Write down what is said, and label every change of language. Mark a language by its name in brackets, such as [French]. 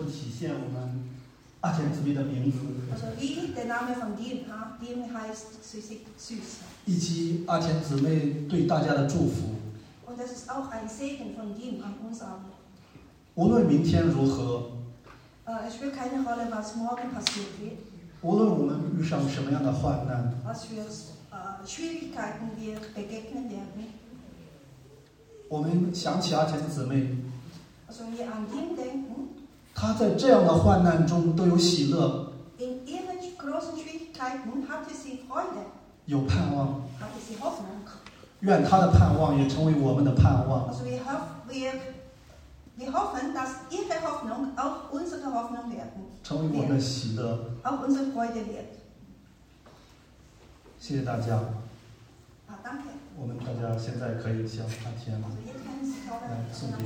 [Chinese] 真的是，这也非常能够体现我们阿田姊妹的名字。 [German] Also wie der Name von dem heißt süß. [Chinese] 以及阿田姊妹对大家的祝福。 [German] Und das ist auch ein Segen von dem an uns alle. [Chinese] 无论明天如何。 [German] Es spielt keine Rolle, was morgen passiert wird. [Chinese] 无论我们遇上什么样的患难, [German] was für Schwierigkeiten wir begegnen werden. [Chinese] 我们想起阿田姊妹, [German] also wir an ihn denken. [Chinese] 她在这样的患难中都有喜乐, [German] in ihren großen Schwierigkeiten hatte sie Freude. [Chinese] 有盼望, [German] hatte sie Hoffnung. [Chinese] 愿她的盼望也成为我们的盼望。 [German] Also wir hoffen, dass ihre Hoffnung auch unsere Hoffnung werden. [Chinese] 成为我们的喜乐, [German] auch unsere Freude wird. [Chinese] 谢谢大家。 [German] Danke. [Chinese] 我们大家现在可以向阿田来送别。